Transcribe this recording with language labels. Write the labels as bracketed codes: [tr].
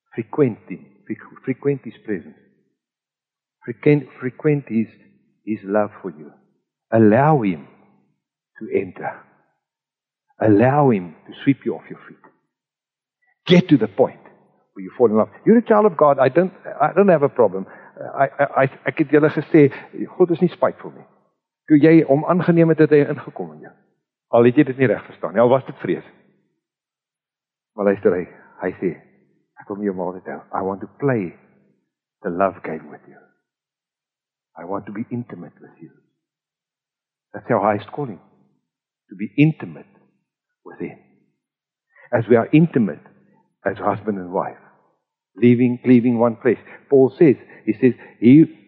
[en] Frequent his presence. Frequent his love for you. Allow him to enter. Allow him to sweep you off your feet. Get to the point where you fall in love. You're a child of God. I don't have a problem. [af] Ek het julle gesê, God is nie spyt vir my. Toe jy om aangeneem het, het hy ingekom in jou. Al het jy dit nie reg verstaan nie. Al was dit vrees. Maar luister, hy sê, [en] from your mother down. I want to play the love game with you. I want to be intimate with you. That's our highest calling. To be intimate with him. As we are intimate as husband and wife. Leaving one place. Paul says, he